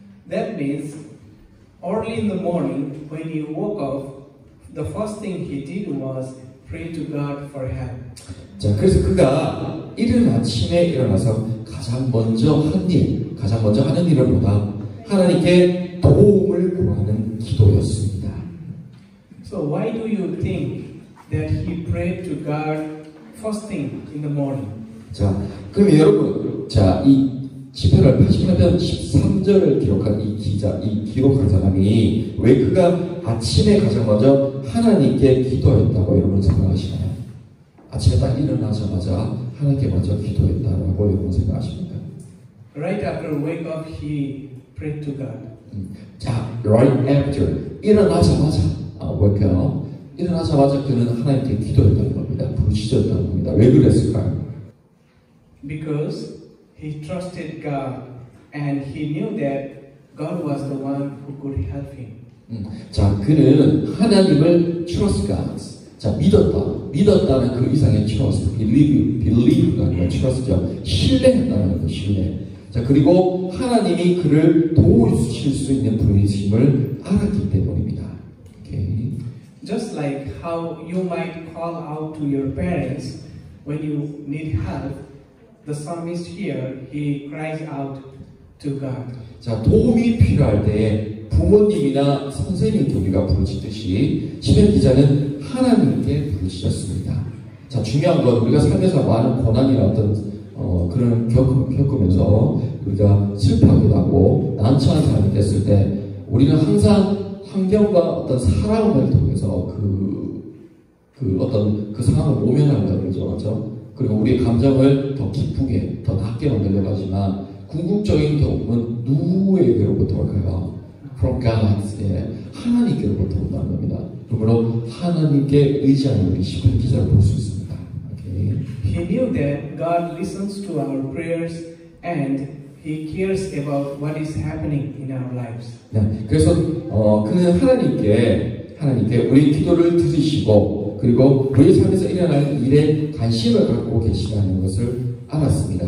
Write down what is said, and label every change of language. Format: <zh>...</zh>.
<en>That means early in the morning, when he woke up, the first thing he did was pray to God for help.</en> <ko>자, 그래서 그가 이른 아침에 일어나서 가장 먼저 하는 일, 가장 먼저 하는 일을 보다 하나님께 도움을 구하는 기도였습니다.</ko> <en>So why do you think that he prayed to God first thing in the morning?</en> <ko>자, 그럼 여러분, 자, 이 시편을 88편 13절을 기록한 이 기자, 이 기록한 사람이 왜 그가 아침에 가장 먼저 하나님께 기도했다고 여러분 생각하시나요? 아침에 딱 일어나자마자 하나님께 먼저 기도했다고 여러분 생각하십니까?</ko> <en>Right after wake up, he prayed to God.</en> <ko>자,</ko> <en>right after</en> <ko>일어나자마자</ko> <en>wake up</en> <ko>일어나자마자 그는 하나님께 기도했다는 겁니다. 부르짖었다는 겁니다. 왜 그랬을까요?</ko> <en>Because he trusted God and he knew that God was the one who could help him.</en> <ko>자 그는 하나님을</ko> <en>trust God.</en> <ko>자 믿었다. 믿었다는 그 이상의 trust. believe라는 trust죠. 신뢰한다는 것, 신뢰. 자 그리고 하나님이 그를 도우실 수 있는 분이심을 알았기 때문입니다.</ko> <en>Okay. Just like how you might call out to your parents when you need help, the psalmist here he cries out to God.</en> <ko>자 도움이 필요할 때 부모님이나 선생님께 우리가 부르짖듯이 시편 기자는 하나님께 부르짖었습니다. 자, 중요한 건 우리가 삶에서 많은 고난이나 어떤 그런 겪으면서 우리가 슬퍼하기도 하고 난처한 사람이 됐을 때 우리는 항상 환경과 어떤 사람을 통해서 그 상황을 모면한다 그러죠. 그렇죠? 그리고 우리의 감정을 더 기쁘게 더 낮게 만들려고 하지만 궁극적인 도움은 누구에게로부터 올까요?</ko> <en>From God. 예.</en> <ko>하나님께로부터 온다는 겁니다. 그러므로 하나님께 의지하는 우리 시편 기자를 볼 수 있습니다.</ko> <en>He knew that God listens to our prayers and He cares about what is happening in our lives.</en> <ko>네, 그래서 그는 하나님께 우리 기도를 들으시고 그리고 우리 삶에서 일어나는 일에 관심을 갖고 계시다는 것을 알았습니다.</ko>